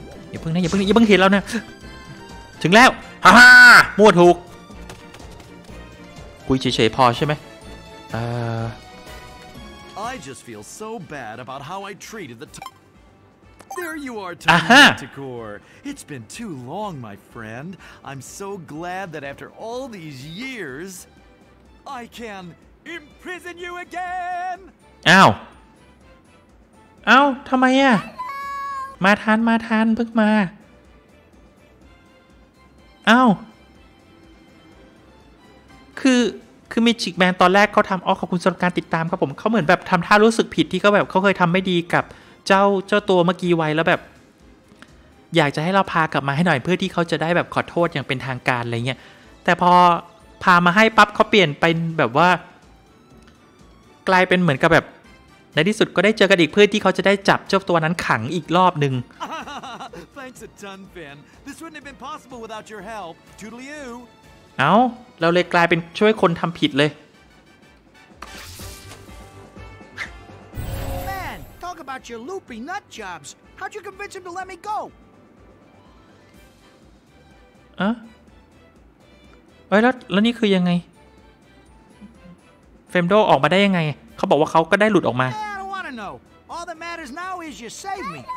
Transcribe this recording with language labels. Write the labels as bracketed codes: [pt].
[th] อย่าเพิ่งเห็นแล้วนะถึงแล้วฮ่าๆมั่วถูกคุยเฉยๆพอใช่ไหม [en] I just feel so bad about how I treated the There you are, Tanticor. It's been too long, my friend. I'm so glad that after all these years I can imprison you again. [th] อ้าวทำไมอ่ะมาทันเพิ่งมาอ้าวคือมีจิกแมนตอนแรกเขาทำขอบคุณสำหรับการติดตามครับผมเขาเหมือนแบบทำท่ารู้สึกผิดที่เขาแบบเขาเคยทำไม่ดีกับเจ้าตัวเมื่อกี้ไว้แล้วแบ อยากจะให้เราพากลับมาให้หน่อยเพื่อที่เขาจะได้แบบขอโทษอย่างเป็นทางการอะไรเงี้ยแต่พอพามาให้ปั๊บเขาเปลี่ยนไปแบบว่ากลายเป็นเหมือนกับแบบในที่สุดก็ได้เจอกันอีกเพื่อที่เขาจะได้จับเจ้าตัวนั้นขังอีกรอบนึง [en] Thanks a ton, Finn. This wouldn't have been possible without your help. Toodle-oo. [th] เอ้าเราเลยกลายเป็นช่วยคนทำผิดเลย [en] Man, talk about your loopy nut jobs. How'd you convince him to let me go? [th] อะเอ้ยแล้วนี่คือยังไงเฟมโดออกมาได้ยังไงเขาบอกว่าเขาก็ได้หลุดออกมา [en] All that matters now is you saved me.